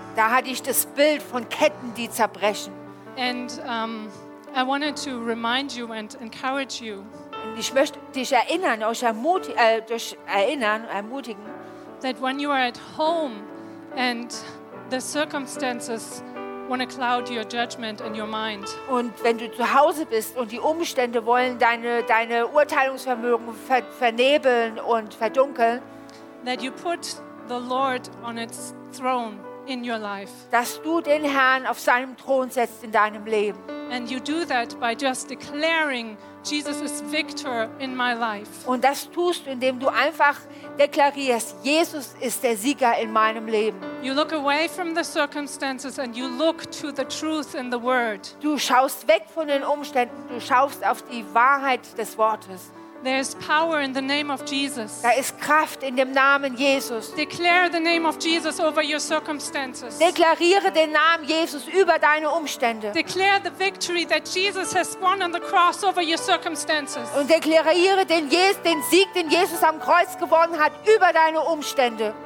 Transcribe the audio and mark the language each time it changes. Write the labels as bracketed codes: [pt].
[de] Da hatte ich das Bild von Ketten, die zerbrechen. [en] And I wanted to remind you and encourage you. [de] Und ich möchte dich erinnern, euch ermutigen, [en] that when you are at home and the circumstances want to cloud your judgment and your mind. [de] Und wenn du zu Hause bist und die Umstände wollen deine Urteilungsvermögen vernebeln und verdunkeln, [en] that you put the Lord on its throne in your life. [de] Dass du den Herrn auf seinem Thron setzt in deinem Leben. [en] And you do that by just declaring Jesus is victor in my life. [de] Und das tust du, indem du einfach deklarierst, Jesus ist der Sieger in meinem Leben. [en] You look away from the circumstances and you look to the truth in the word. [de] Du schaust weg von den Umständen, du schaust auf die Wahrheit des Wortes. [en] There is power in the name of Jesus. [de] Da ist Kraft in dem Namen Jesus. [en] Declare the name of Jesus over your circumstances. [de] Deklariere den Namen Jesus über deine Umstände. [en] Declare the victory that Jesus has won on the cross over your circumstances. [de] Und deklariere den Sieg, den Jesus am Kreuz gewonnen hat, über deine Umstände.